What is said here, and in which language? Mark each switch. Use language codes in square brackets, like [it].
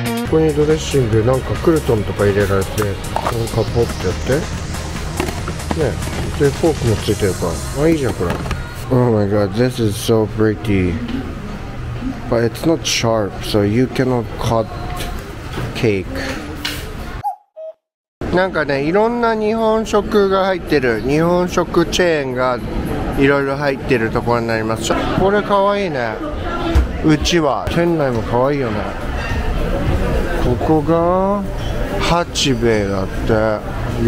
[ja] ここにドレッシング、なんかクルトンとか入れられて、なんかポッてやってね、でフォークもついてるから、あ、いいじゃんこれ。 [en] Oh my god, this is so pretty. But it's not sharp, so you cannot cut cake. [ja] なんかね、いろんな日本食が入ってる、日本食チェーンがいろいろ入ってるところになります。これかわいいね、うちは。店内もかわいいよね。ここが八兵衛だって。